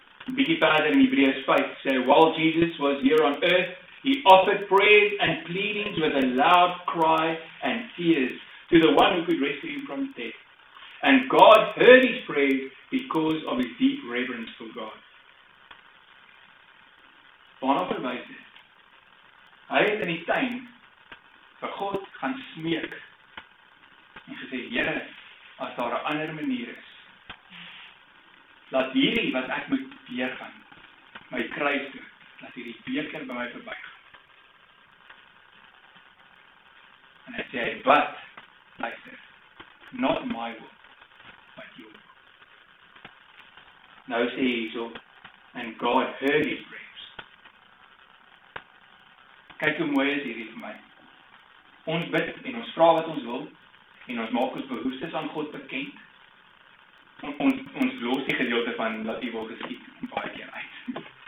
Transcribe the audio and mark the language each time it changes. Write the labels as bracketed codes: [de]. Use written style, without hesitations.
[af] Bietjie verder in Hebreërs 5 sê, [en] while Jesus was here on earth, he offered prayers and pleadings with a loud cry and tears to the one who could rescue him from death. And God heard his prayers because of his deep reverence for God. [af] Waarop verwys dit? Hy het in die tuin vir God gaan smeek en gesê, Here, as daar 'n ander manier is, laat hierdie wat ek moet weer gaan, my kruis doen, laat hierdie beker by my verby gaan. En hy sê, [en] but, [af] luister, [en] not my will, but your will. [af] Nou sê hy so, [en] and God heard his prayers. [af] Kyk hoe mooi is hierdie vir my. Ons bid en ons vra wat ons wil, en ons maak ons behoeftes aan God bekend. Ons los die gedeelte van dat u wil geskied baie keer uit.